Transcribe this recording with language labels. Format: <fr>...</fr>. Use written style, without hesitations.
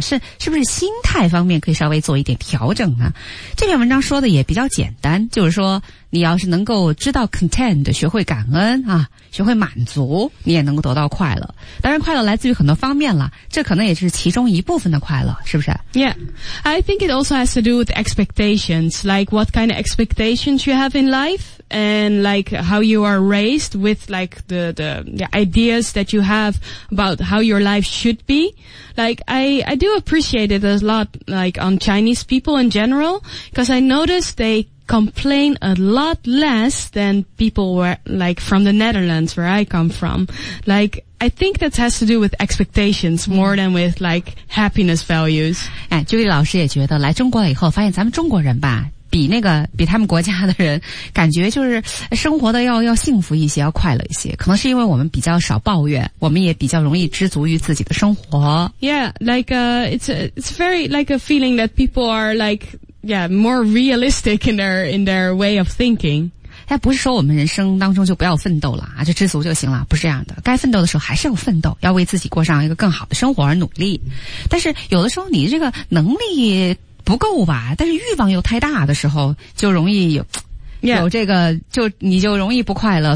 <zh>是不是心态方面可以稍微做一点调整呢？这篇文章说的也比较简单，就是说你要是能够知道 content, 学会感恩啊，学会满足，你也能够得到快乐。当然快乐来自于很多方面了，这可能也是其中一部分的快乐，是不是？</zh> <en>Yeah, I think it also has to do with expectations, like what kind of expectations you have in life, and like how you are raised with like the ideas that you have about how your life should be. Like I do appreciate it a lot, like on Chinese people in general, because I noticed they complain a lot less than people were like from the Netherlands where I come from. Like I think that has to do with expectations more than with like happiness values.</en> <zh>哎，朱莉老师也觉得来中国了以后发现咱们中国人吧，比他们国家的人感觉就是生活的要幸福一些，要快乐一些，可能是因为我们比较少抱怨，我们也比较容易知足于自己的生活。</zh> <en>Yeah, like it's very like a feeling that people are likeMore realistic in their way of thinking.</en> <zh>哎，不是说我们人生当中就不要奋斗了啊，就知足就行了，不是这样的。该奋斗的时候还是要奋斗，要为自己过上一个更好的生活而努力。但是有的时候你这个能力不够吧，但是欲望又太大的时候，就容易有这个，就你就容易不快乐。</zh>